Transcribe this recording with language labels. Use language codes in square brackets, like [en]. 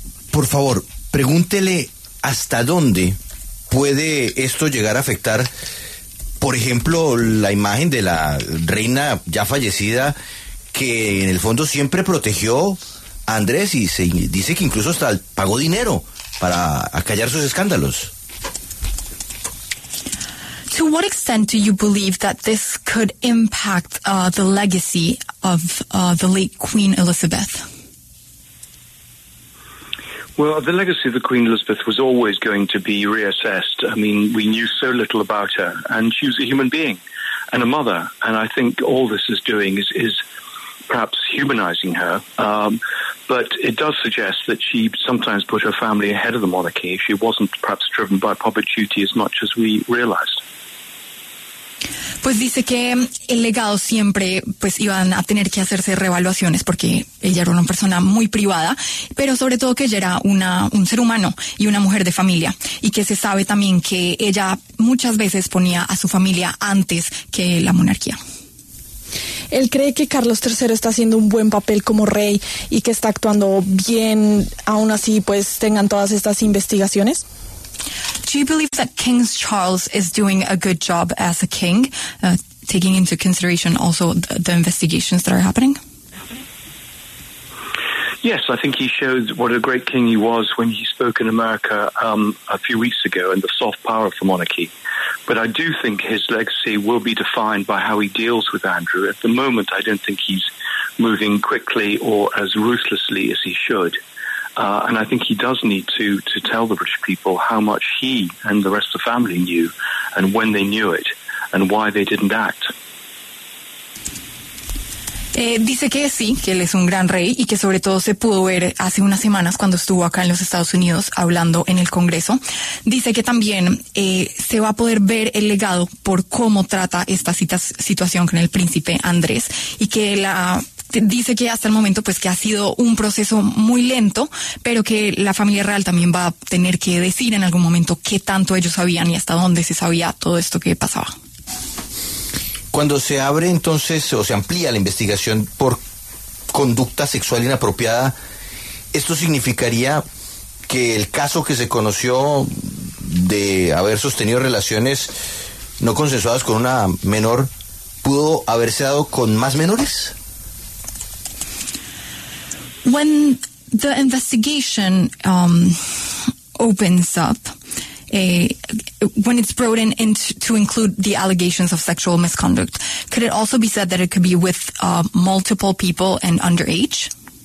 [es] Por favor, pregúntele hasta dónde puede esto llegar a afectar, por ejemplo, la imagen de la reina ya fallecida, que en el fondo siempre protegió a Andrés y se dice que incluso hasta pagó dinero para acallar sus escándalos. [en] To what extent do you believe that this could impact the legacy of the late Queen Elizabeth? Well, the legacy of the Queen Elizabeth was always going to be reassessed. I mean, we knew so little about her, and she was a human being and a mother. And I think all this is doing is perhaps humanizing her. But it does suggest that she sometimes put her family ahead of the monarchy. She wasn't perhaps driven by public duty as much as we realized. [es] Pues dice que el legado siempre pues iban a tener que hacerse reevaluaciones, porque ella era una persona muy privada, pero sobre todo que ella era un ser humano y una mujer de familia, y que se sabe también que ella muchas veces ponía a su familia antes que la monarquía. ¿Él cree que Carlos III está haciendo un buen papel como rey y que está actuando bien aún así pues tengan todas estas investigaciones? [en] Do you believe that King Charles is doing a good job as a king, taking into consideration also the investigations that are happening? Yes, I think he showed what a great king he was when he spoke in America a few weeks ago, and the soft power of the monarchy. But I do think his legacy will be defined by how he deals with Andrew. At the moment, I don't think he's moving quickly or as ruthlessly as he should. And I think he does need to tell the British people how much he and the rest of the family knew, and when they knew it, and why they didn't act. [es] Dice que sí, que él es un gran rey y que sobre todo se pudo ver hace unas semanas cuando estuvo acá en los Estados Unidos hablando en el Congreso. Dice que también se va a poder ver el legado por cómo trata esta situación con el príncipe Andrés y que la... Dice que hasta el momento pues que ha sido un proceso muy lento, pero que la familia real también va a tener que decir en algún momento qué tanto ellos sabían y hasta dónde se sabía todo esto que pasaba. Cuando se abre entonces o se amplía la investigación por conducta sexual inapropiada, ¿esto significaría que el caso que se conoció de haber sostenido relaciones no consensuadas con una menor pudo haberse dado con más menores? [en] When the investigation opens up, when it's broadened to include the allegations of sexual misconduct, could it also be said that it could be with multiple people and underage?